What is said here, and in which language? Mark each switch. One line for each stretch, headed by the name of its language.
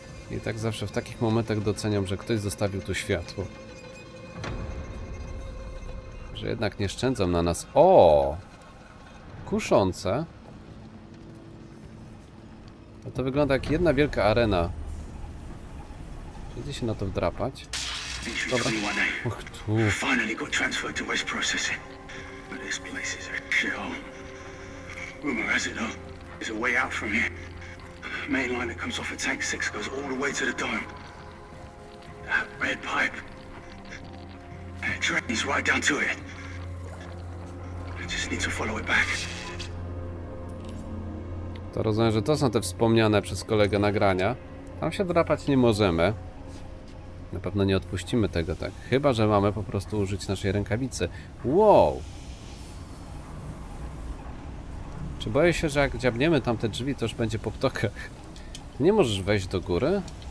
Polish: I tak zawsze w takich momentach doceniam, że ktoś zostawił tu światło. Że jednak nie szczędzą na nas. O! Kuszące. No to wygląda jak jedna wielka arena. Gdzie się na to wdrapać? Dobra. Och, tu.
English: Finally got transferred to waste processing. But this place is a shithole. Rumor has it though, there's a way out from here. Main line that comes off of tank 6 goes all the way to the dome. That red pipe. It drains right down to it. I just need to follow it back.
Polish: To rozumiem, że to są te wspomniane przez kolegę nagrania. Tam się drapać nie możemy. Na pewno nie odpuścimy tego tak. Chyba, że mamy po prostu użyć naszej rękawicy. Wow! Czy boję się, że jak dziabniemy tamte drzwi, to już będzie po ptokach? Nie możesz wejść do góry?